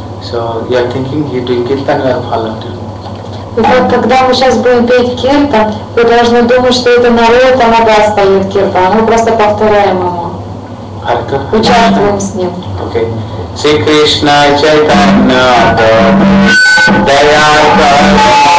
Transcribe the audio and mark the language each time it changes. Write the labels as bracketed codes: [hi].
[en] So you are thinking he doing kirtan, you are following. [ru] И вот когда мы сейчас будем петь киртан, вы должны думать, что это Народом Дас поет киртан. Мы просто повторяем ему. Участвуем с ним. [en] Okay. Sri Krishna Chaitanya Prabhu, Dayal Prabhu,